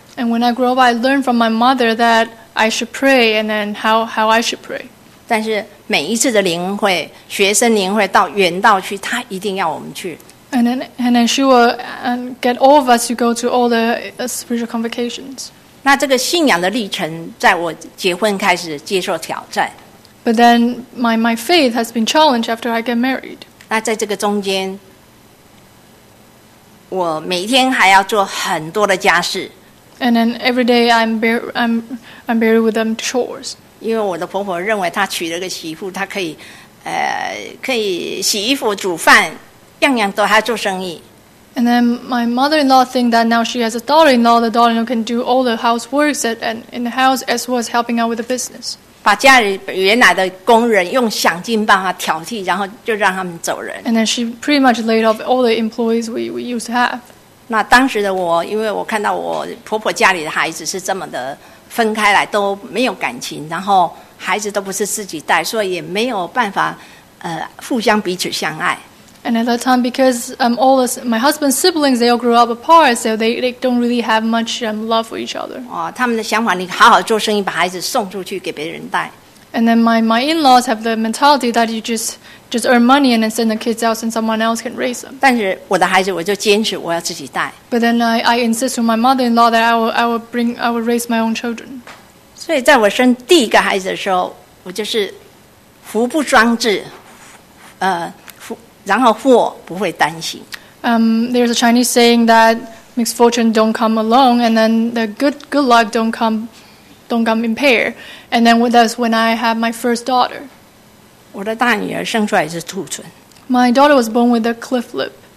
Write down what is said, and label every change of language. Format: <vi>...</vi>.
<en>And when I grow up, I learned from my mother that I should pray, and then how I should pray.</en> <zh>但是每一次的灵会，学生灵会到远道去， 她一定要我们去。</zh> <en>And then she will get all of us to go to all the spiritual convocations.</en> <zh>那这个信仰的历程在我结婚开始接受挑战。</zh> <en>But then my faith has been challenged after I get married.</en> <zh>那在这个中间， 我每天还要做很多的家事。</zh> <en>And then every day I'm buried with them chores.</en> <zh>因为我的婆婆认为她娶了个媳妇， 她可以， 可以洗衣服煮饭， 样样都还做生意。</zh> <en>And then my mother-in-law think that now she has a daughter-in-law, the daughter-in-law can do all the houseworks and in the house as well as helping out with the business.</en> <zh>把家里原来的工人用想尽办法挑剔， 然后就让他们走人。</zh> <en>And then she pretty much laid off all the employees we used to have.</en> <zh>那当时的我， 因为我看到我婆婆家里的孩子是这么的分开来， 都没有感情， 然后孩子都不是自己带， 所以也没有办法， 互相彼此相爱。</zh> <en>And at that time, because all this, my husband's siblings, they all grew up apart, so they don't really have much love for each other.</en> <zh>哦，他们的想法，你好好做生意，把孩子送出去给别人带。</zh> <en>And then my in-laws have the mentality that you just earn money and then send the kids out, and someone else can raise them.</en> <zh>但是我的孩子，我就坚持我要自己带。</zh> <en>But then I insist to my mother-in-law that I will raise my own children.</en> <zh>所以在我生第一个孩子的时候，我就是福不双至， 然后祸不会担心。</zh> <en>There's a Chinese saying that mixed fortune don't come alone, and then the good luck don't come in pair. And then that's when I had my first daughter.</en> <zh>我的大女儿生出来是兔唇。</zh> <en>My daughter was born with a cleft lip.</en>